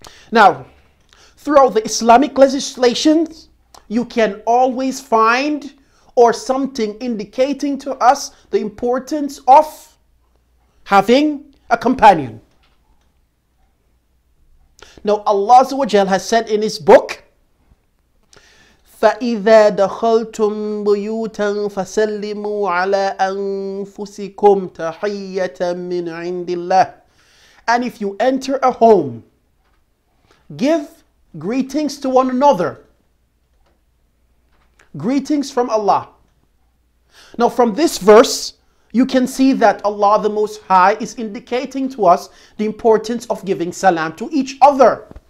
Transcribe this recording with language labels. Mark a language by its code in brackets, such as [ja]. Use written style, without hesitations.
[en] Now, throughout the Islamic legislations, you can always find or something indicating to us the importance of having a companion. Now, Allah Azawajal has said in His book, [ar] فَإِذَا دَخَلْتُمْ بُيُوتًا فَسَلِّمُوا عَلَىٰ أَنفُسِكُمْ تَحِيَّةً مِّنْ عِنْدِ اللَّهِ. [en] And if you enter a home, give greetings to one another. Greetings from Allah. Now from this verse, you can see that Allah the Most High is indicating to us the importance of giving salam to each other.